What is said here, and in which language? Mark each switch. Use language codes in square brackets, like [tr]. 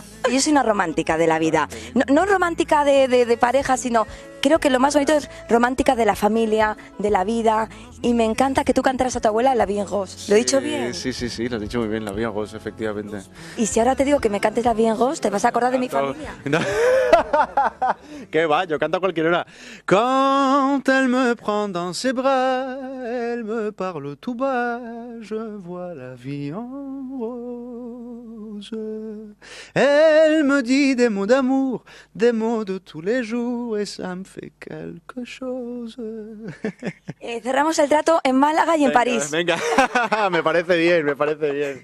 [es] Yo soy una romántica de la vida. No romántica de pareja, sino creo que lo más bonito es romántica de la familia, de la vida. Y me encanta que tú cantaras a tu abuela La Vie en Rose. ¿Lo he dicho bien? Sí, lo he dicho muy bien, La Vie en Rose, efectivamente. Y si ahora te digo que me cantes La Vie en Rose, ¿te vas a acordar de mi familia? No. ¿Qué va? Yo canto a cualquier hora. [fr] Quand elle me prend dans ses bras, elle me parle tout bas, je vois la vie en rose. Elle me dit des mots d'amour, des mots de tous les jours, et ça me fait quelque chose. [es] Cerramos el trato en Málaga y en París. Venga, me parece bien, me parece bien.